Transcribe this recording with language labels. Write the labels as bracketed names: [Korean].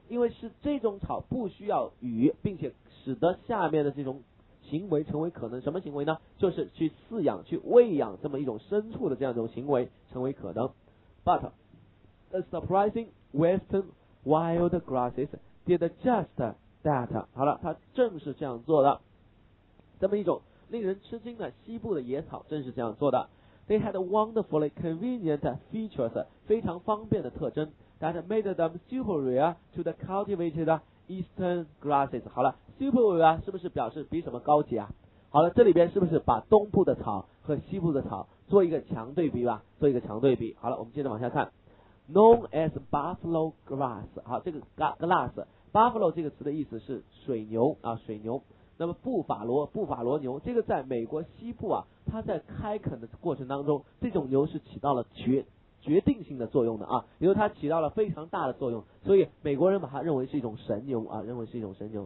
[Chinese] 因为是这种草不需要雨，并且使得下面的这种行为成为可能。什么行为呢？就是去饲养、去喂养这么一种牲畜的这样一种行为成为可能。 [English] But the surprising western wild grasses did just that。 [Chinese] 好了，它正是这样做的。这么一种令人吃惊的西部的野草正是这样做的。 [English] They had wonderfully convenient features， [Chinese] 非常方便的特征。 [English] That made them superior to the cultivated eastern grasses。 [Chinese] 好了， superior 是不是表示比什么高级啊？好了，这里边是不是把东部的草和西部的草做一个强对比吧，做一个强对比。好了，我们接着往下看。 [English] Known as buffalo grass， [Chinese] 好，这个 glass buffalo 这个词的意思是水牛啊，水牛。那么布法罗，布法罗牛，这个在美国西部啊，它在开垦的过程当中，这种牛是起到了决定性的作用的啊，也就是它起到了非常大的作用，所以美国人把它认为是一种神牛啊，认为是一种神牛。